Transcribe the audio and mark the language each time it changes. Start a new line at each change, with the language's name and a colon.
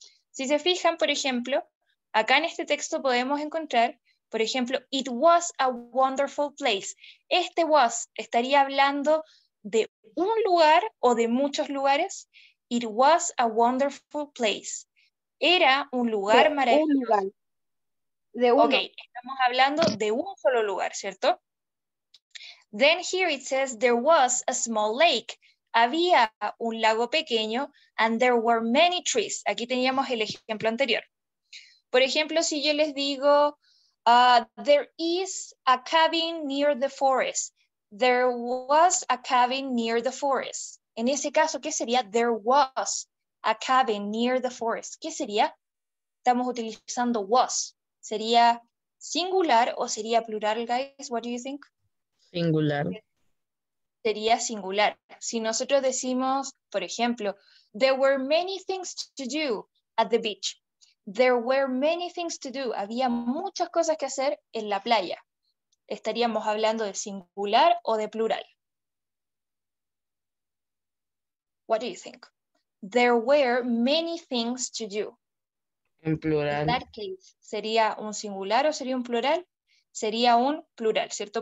Spanish: Si se fijan, por ejemplo, acá en este texto podemos encontrar, por ejemplo,
English: it was a wonderful place.
Spanish: Este was estaría hablando de un lugar o de muchos lugares.
English: It was a wonderful place.
Spanish: Era un lugar maravilloso. Un lugar. De uno. Ok, estamos hablando de un solo lugar, ¿cierto?
English: Then here it says, there was a small lake.
Spanish: Había un lago pequeño,
English: and there were many trees.
Spanish: Aquí teníamos el ejemplo anterior. Por ejemplo, si yo les digo,
English: there is a cabin near the forest. There was a cabin near the forest.
Spanish: En ese caso, ¿qué sería?
English: There was a cabin near the forest.
Spanish: ¿Qué sería? Estamos utilizando was. ¿Sería singular o sería plural, guys?
English: What do you think?
Spanish: Singular. Sería singular. Si nosotros decimos, por ejemplo,
English: there were many things to do at the beach. There were many things to do.
Spanish: Había muchas cosas que hacer en la playa. ¿Estaríamos hablando de singular o de plural?
English: What do you think? There were many things to do.
Spanish: En plural.
English: In that case,
Spanish: ¿sería un singular o sería un plural? sería un plural, ¿cierto?